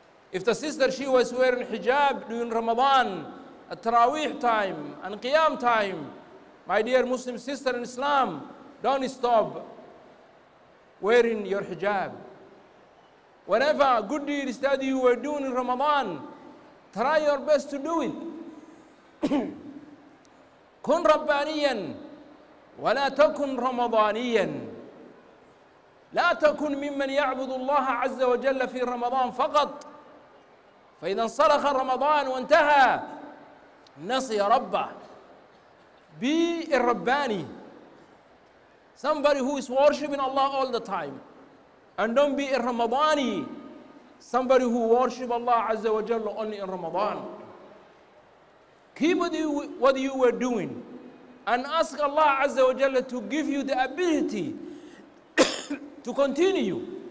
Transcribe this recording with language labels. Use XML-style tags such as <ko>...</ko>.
<en>If the sister, she was wearing hijab during Ramadan, at Taraweeh time and Qiyam time, my dear Muslim sister in Islam, don't stop wearing your hijab. Whatever good deeds that you were doing in Ramadan, try your best to do it.</en> <ar>Kun Rabbaniyan. ولا تكن رمضانيا لا تكن ممن يعبد الله عز وجل في رمضان فقط فإذا انصرخ رمضان وانتهى نسي ربه.</ar> <en>Be a Rabbani, somebody who is worshiping Allah all the time, and don't be a Ramadani, somebody who worship Allah عز وجل only in Ramadan. Keep what you were doing and ask Allah Azza wa Jalla to give you the ability to continue.</en>